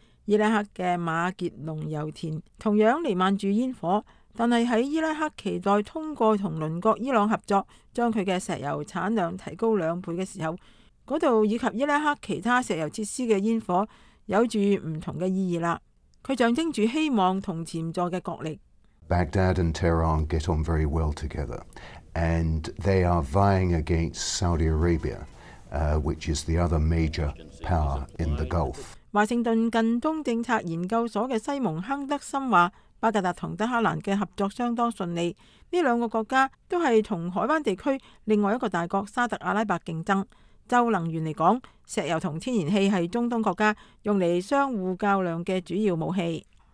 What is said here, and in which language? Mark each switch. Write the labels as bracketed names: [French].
[Chinese] 伊拉克的马杰农油田同样弥漫住烟火，但是在伊拉克期待通过和邻国伊朗合作将它的石油产量提高两倍的时候，那里以及伊拉克其他石油设施的烟火有着不同的意义了，它象征着希望和潜在的角力。 [English] Baghdad and Tehran get on very well together and they are vying against Saudi Arabia which is the other major power in the Gulf。 [Chinese] 华盛顿近东政策研究所的西蒙·亨德森说，巴格达和德克兰的合作相当顺利，这两个国家都是和海湾地区另外一个大国沙特阿拉伯竞争。就能源来说，石油和天然气是中东国家用来相互较量的主要武器。